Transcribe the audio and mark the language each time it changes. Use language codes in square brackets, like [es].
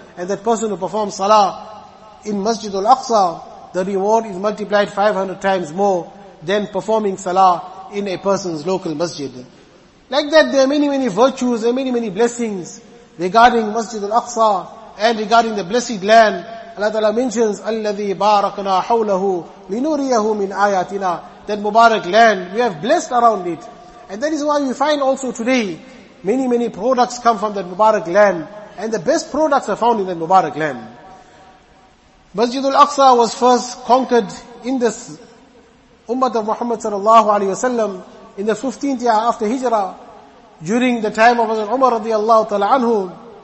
[en] And that person who performs salah in Masjid al-Aqsa, the reward is multiplied 500 times more than performing salah in a person's local masjid. Like that, there are many, many virtues, there are many, many blessings regarding Masjid al-Aqsa and regarding the blessed land. Allah Ta'ala mentions, [ar] الَّذِي بَارَكْنَا حَوْلَهُ لِنُرِيَهُ مِنْ آيَاتِنَا. [en] That Mubarak land, we have blessed around it. And that is why we find also today, many, many products come from that Mubarak land. And the best products are found in that Mubarak land. Masjid al-Aqsa was first conquered in this Ummat of Muhammad sallallahu alayhi wa sallam in the 15th year after Hijrah, during the time of Hazrat Umar radiallahu ta'ala anhu.